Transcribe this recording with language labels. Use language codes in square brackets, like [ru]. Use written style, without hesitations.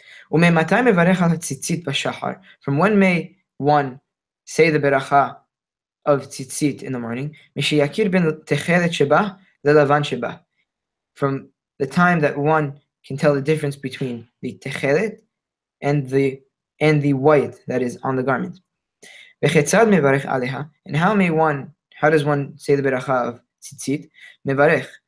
[he] ומאמתי מברך על הציצית בשחר. [en] From when may one say the beracha of tzitzit in the morning? [he] משיקיר בין תכלת שבה ללבן שבה. [en] From the time that one can tell the difference between the tekhelet and the white that is on the garment. [he] וכיצד מברך עליה? [en] And how does one say the beracha of tzitzit? [he] מברך.